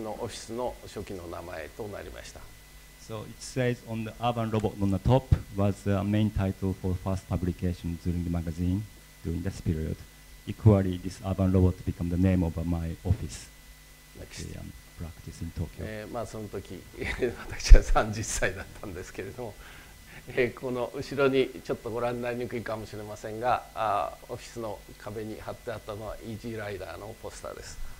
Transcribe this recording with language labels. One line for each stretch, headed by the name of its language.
Japanese: その時に雑誌で特集されたタイトルがアーバンロボットというタイトルで、これが私のオフィスの初期の名前となりました。
English: So it says on the Urban Robot on the top was the main title for first publication during the magazine during this period. Equally, this Urban Robot became the name of my office. Next. Practice in Tokyo.
Japanese: その時、私は30歳だったんですけれども、この後ろにちょっとご覧になりにくいかもしれませんが、オフィスの壁に貼ってあったのはEasyライダーのポスターです。